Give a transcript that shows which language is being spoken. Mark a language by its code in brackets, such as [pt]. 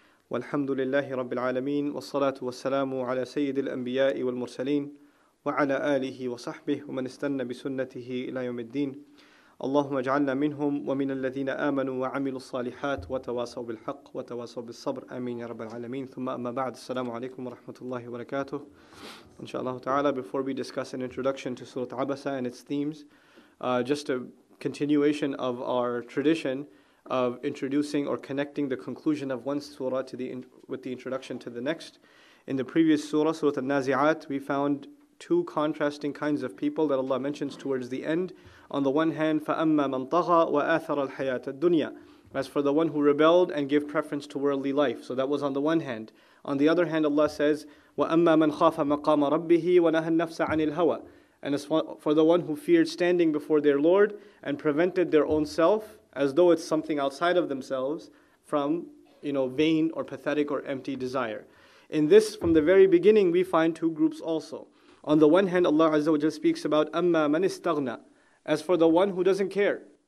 [ar] والحمد لله رب العالمين، والصلاة والسلام على سيد الأنبياء والمرسلين وعلى آله وصحبه ومن استنى بسنته إلى يوم الدين. اللهم اجعلنا منهم ومن الذين آمنوا وعملوا الصالحات وتواصوا بالحق وتواصوا بالصبر، آمين يا رب العالمين. ثم أما بعد، السلام عليكم ورحمة الله وبركاته. إن شاء الله تعالى. [en] Before we discuss an introduction to Surah Abasa and its themes, just a continuation of our tradition of introducing or connecting the conclusion of one surah with the introduction to the next. In the previous surah, Surah An-Nazi'at, we found two contrasting kinds of people that Allah mentions towards the end. On the one hand, [ar] فَأَمَّا مَنْ طَغَى وَآثَرَ الْحَيَاةَ الدُّنْيَا. [en] As for the one who rebelled and gave preference to worldly life. So that was on the one hand. On the other hand, Allah says, [ar] وَأَمَّا مَنْ خَافَ مَقَامَ رَبِّهِ وَنَهَى النَّفْسَ عَنِ الْهَوَى. [en] And as for the one who feared standing before their Lord and prevented their own self, as though it's something outside of themselves, from, you know, vain or pathetic or empty desire. In this, from the very beginning, we find two groups also. On the one hand, Allah Azza wa Jalla speaks about [ar] أَمَّا مَنِ اسْتَغْنَى, [en] as for the one who doesn't care.